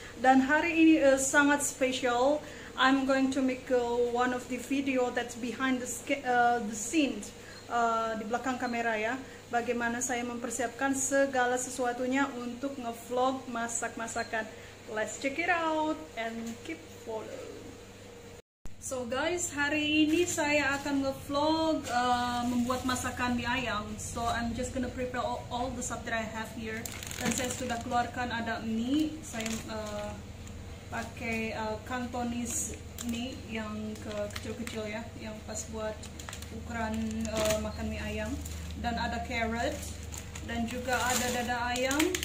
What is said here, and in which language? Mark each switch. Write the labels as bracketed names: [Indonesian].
[Indonesian] Dan hari ini sangat spesial. [English] I'm going to make one of the video that's behind the scenes, [Indonesian] di belakang kamera ya. Bagaimana saya mempersiapkan segala sesuatunya untuk nge-vlog masak-masakan. [English] Let's check it out and keep follow. So guys, [Indonesian] hari ini saya akan nge-vlog membuat masakan mie ayam. [English] So I'm just gonna prepare all the stuff that I have here. [Indonesian] Dan saya sudah keluarkan ada mie. Saya pakai Cantonese mie yang kecil-kecil ya, yang pas buat ukuran makan mie ayam. Dan ada carrot, dan juga ada dada ayam.